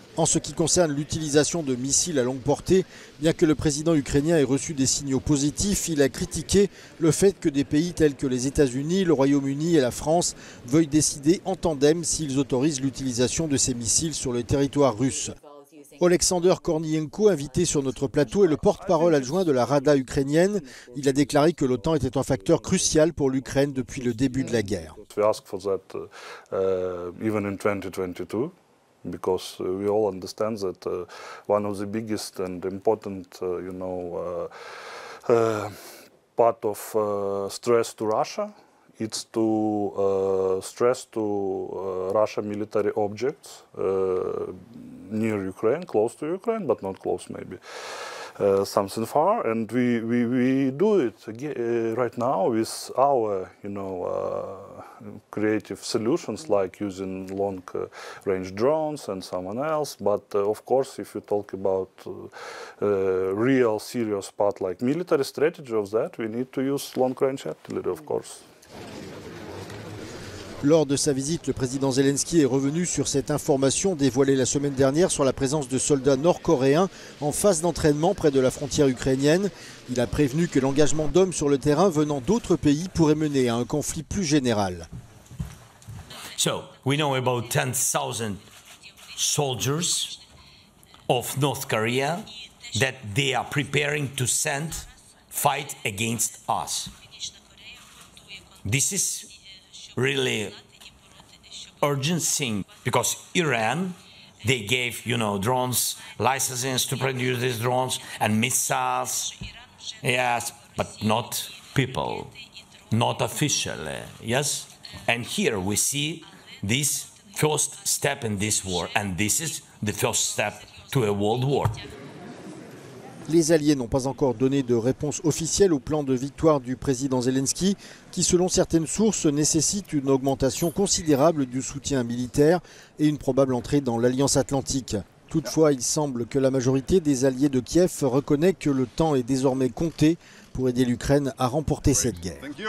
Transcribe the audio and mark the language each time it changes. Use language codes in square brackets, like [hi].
[fr] En ce qui concerne l'utilisation de missiles à longue portée, bien que le président ukrainien ait reçu des signaux positifs, il a critiqué le fait que des pays tels que les États-Unis, le Royaume-Uni et la France veuillent décider en tandem s'ils autorisent l'utilisation de ces missiles sur le territoire russe. Oleksandr Kornienko, invité sur notre plateau, est le porte-parole adjoint de la Rada ukrainienne. Il a déclaré que l'OTAN était un facteur crucial pour l'Ukraine depuis le début de la guerre. [en] Because we all understand that one of the biggest and important, you know, part of stress to Russia, it's to stress to Russia military objects near Ukraine, close to Ukraine, but not close, maybe something far. And we do it right now with our, you know, creative solutions like using long range drones and someone else. But of course, if you talk about real serious part like military strategy of that, we need to use long range artillery, of course. [fr] Lors de sa visite, le président Zelensky est revenu sur cette information dévoilée la semaine dernière sur la présence de soldats nord-coréens en phase d'entraînement près de la frontière ukrainienne. Il a prévenu que l'engagement d'hommes sur le terrain venant d'autres pays pourrait mener à un conflit plus général. [en] So, we know about 10,000 soldiers of North Korea that they are preparing to send fight against us. This is really urgent thing because Iran, they gave, you know, drones, licenses to produce these drones and missiles. Yes, but not people, not officially. Yes? And here we see this first step in this war, and this is the first step to a world war. [fr] Les alliés n'ont pas encore donné de réponse officielle au plan de victoire du président Zelensky, qui, selon certaines sources, nécessite une augmentation considérable du soutien militaire et une probable entrée dans l'Alliance Atlantique. Toutefois, il semble que la majorité des alliés de Kiev reconnaît que le temps est désormais compté pour aider l'Ukraine à remporter cette guerre.